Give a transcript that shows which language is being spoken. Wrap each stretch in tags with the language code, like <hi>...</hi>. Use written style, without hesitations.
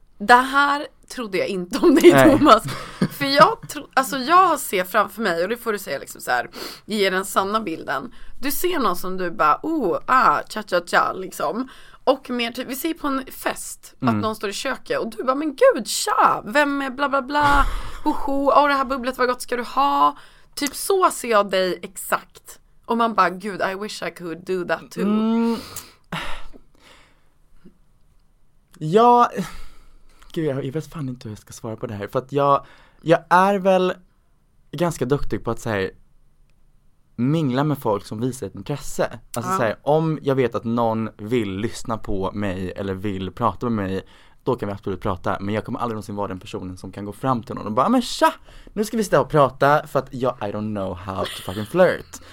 <sv>Det här trodde jag inte om dig. Nej. Thomas. För jag alltså jag ser framför mig, och det får du säga liksom så här, ge den sanna bilden. Du ser någon som du bara, cha cha cha liksom. Och mer typ, vi ser på en fest att någon står i köket och du bara, men gud, tja, vem är bla bla bla, hoho, det här bubblet, vad gott ska du ha? Typ så ser jag dig exakt. Och man bara, gud,</sv> <en>I wish I could do that too. Mm.</en> <sv>Ja, gud, jag vet fan inte hur jag ska svara på det här. För att jag är väl ganska duktig på att så här, mingla med folk som visar ett intresse. Alltså så här, om jag vet att någon vill lyssna på mig eller vill prata med mig, då kan vi absolut prata, men jag kommer aldrig någonsin vara den personen som kan gå fram till någon och bara, men tja, nu ska vi sitta och prata, för att jag,</sv> <en>I don't know how to fucking flirt.</en>